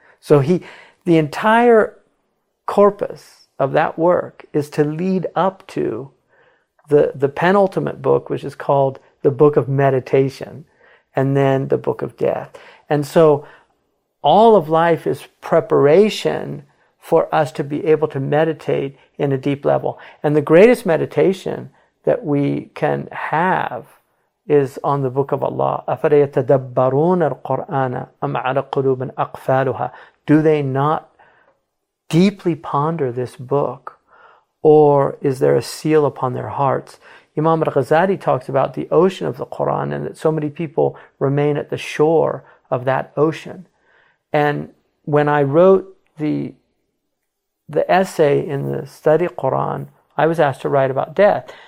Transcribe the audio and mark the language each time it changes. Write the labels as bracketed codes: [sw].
[en] So the entire corpus of that work is to lead up to the penultimate book, which is called the Book of Meditation, and then the Book of Death. And so all of life is preparation for us to be able to meditate in a deep level. And the greatest meditation that we can have is on the Book of Allah. [ar] أَفَرَ يَتَدَبَّرُونَ الْقُرْآنَ أَمْ عَلَى قُلُوبٍ أَقْفَالُهَا. [en] Do they not deeply ponder this book, or is there a seal upon their hearts? Imam al-Ghazali talks about the ocean of the Quran, and that so many people remain at the shore of that ocean. And when I wrote the essay in the study Quran, I was asked to write about death.